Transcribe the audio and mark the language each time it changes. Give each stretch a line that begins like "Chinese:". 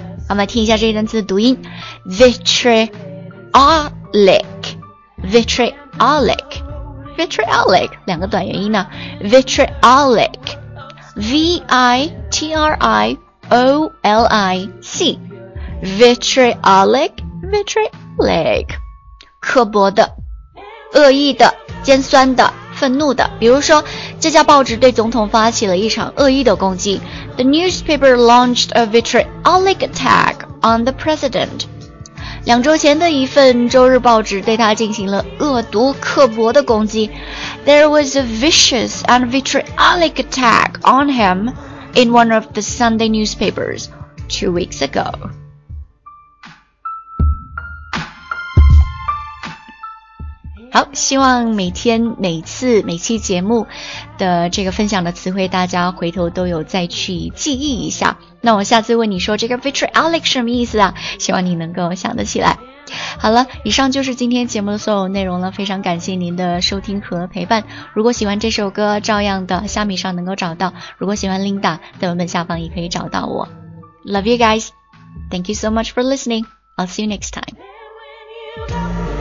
Chinese: 好，我们来听一下这一单词的读音， vitriolic 两个短元音呢， vitriolic V-I-T-R-I-O-L-I-C vitriolic 刻薄的，恶意的，尖酸的，愤怒的。比如说这家报纸对总统发起了一场恶意的攻击， The newspaper launched a vitriolic attack on the president。两周前的一份周日报纸对他进行了恶毒刻薄的攻击。
English: There was a vicious and vitriolic attack on him in one of the Sunday newspapers 2 weeks ago.
Chinese: 好，希望每天每次每期节目的这个分享的词汇大家回头都有再去记忆一下。那我下次问你说这个 vitriolic 什么意思啊，希望你能够想得起来。好了，以上就是今天节目的所有内容了，非常感谢您的收听和陪伴。如果喜欢这首歌，照样的虾米上能够找到，如果喜欢 Linda， 在文本下方也可以找到我。
English: Love you guys. Thank you so much for listening. I'll see you next time.